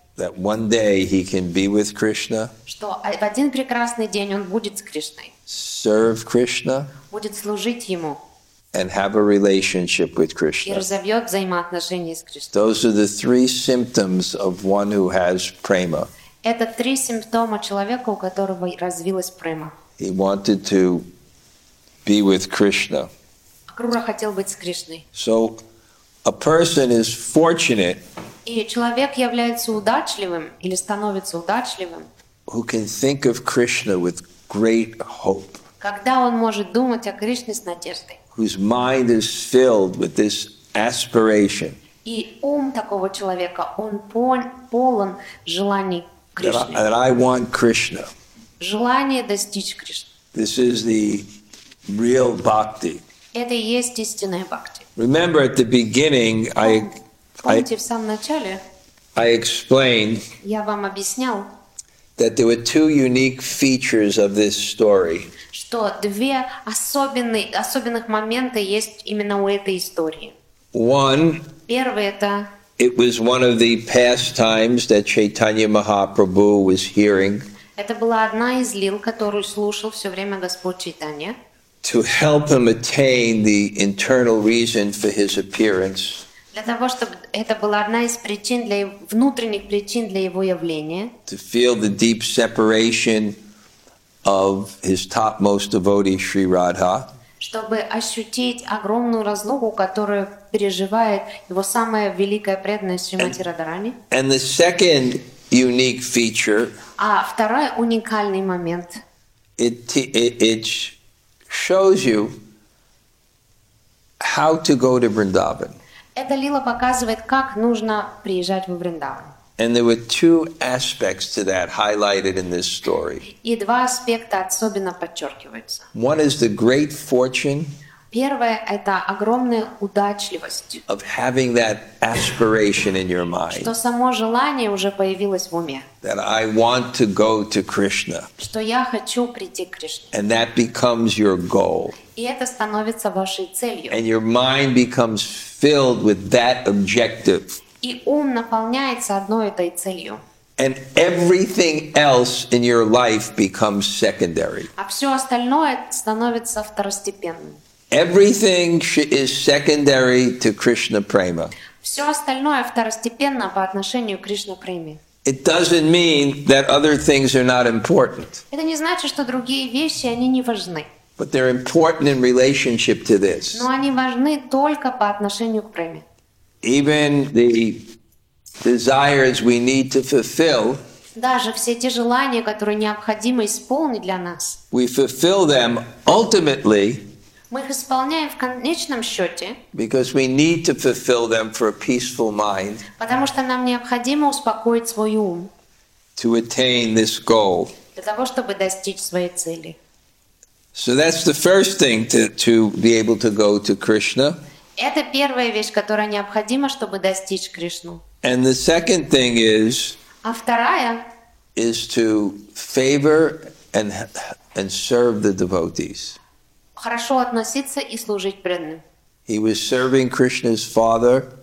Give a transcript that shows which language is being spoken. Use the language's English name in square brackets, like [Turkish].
[English] That one day he can be with Krishna. [Russian] Что в один прекрасный день он будет с Кришной. [English] Serve Krishna. [Russian] Будет служить ему. [English] And have a relationship with Krishna. [Russian] И разовьет взаимоотношения с Кришной. [English] Those are the three symptoms of one who has prema. [Russian] Это три симптома человека, у которого развилась према. [English] He wanted to be with Krishna. [Russian] Акрура хотел быть с Кришной. [English] So, a person is fortunate. [Russian] И человек является удачливым или становится удачливым. [English] Who can think of Krishna with great hope? [Russian] Когда он может думать о Кришне с надеждой? [English] Whose mind is filled with this aspiration? [Russian] И ум такого человека он полон желаний. [English] That I want Krishna. [Russian] Желание достичь Кришны. [English] This is the real bhakti. [Russian] Это и есть истинная бхакти. [English] Remember at the beginning, [Russian] помните, в самом начале, [English] I explained, [Russian] я вам объяснял, [English] that there were two unique features of this story. [Russian] Что две особенных момента есть именно у этой истории. [English] One. [Russian] Первое это. [English] It was one of the pastimes that Chaitanya Mahaprabhu was hearing. [Russian] Это была одна из лил, которую слушал все время Господь Чайтанья. [English] To help him attain the internal reason for his appearance. [Russian] Для того, чтобы это была одна из причин для внутренних причин для его явления. [English] To feel the deep separation of his topmost devotee Sri Radha. [Russian] Чтобы ощутить огромную разлуку, которую переживает его самая великая преданная Шримати Радхарани. [English] And the second unique feature. [Russian] А второй уникальный момент. [English] It shows you how to go to Vrindavan. [Russian] Эта лила показывает, как нужно приезжать в Вриндаван. [English] And there were two aspects to that highlighted in this story. [Russian] И два аспекта особенно подчеркиваются. [English] One is the great fortune. [Russian] Первое – это огромная удачливость. [English] Of having that aspiration in your mind. [Russian] Что само желание уже появилось в уме. [English] That I want to go to Krishna. [Russian] Что я хочу прийти к Кришне. [English] And that becomes your goal. [Russian] И это становится вашей целью. [English] And your mind becomes filled with that objective. [Russian] И ум наполняется одной этой целью. [English] And everything else in your life becomes secondary. [Russian] А все остальное становится второстепенным. [English] Everything is secondary to Krishna prema. [Russian] Все остальное второстепенно по отношению к Кришна преме. [English] It doesn't mean that other things are not important. [Russian] Это не значит, что другие вещи они не важны. [English] But they're important in relationship to this. [Russian] Но они важны только по отношению к преме. [English] Even the desires we need to fulfill, [Russian] даже все те желания, которые необходимо исполнить для нас, [English] we fulfill them ultimately, [Russian] мы их исполняем в конечном счете, [English] because we need to fulfill them for a peaceful mind, [Russian] потому что нам необходимо успокоить свой ум, [English] to attain this goal, [Russian] для того, чтобы достичь своей цели. [English] So that's the first thing to be able to go to Krishna. [Russian] Это первая вещь, которая необходима, чтобы достичь Кришну. [English] And the second thing is, [Russian] а вторая, [English] is to favor and serve the devotees. [Russian] Хорошо относиться и служить преданным. [English] He was serving Krishna's father.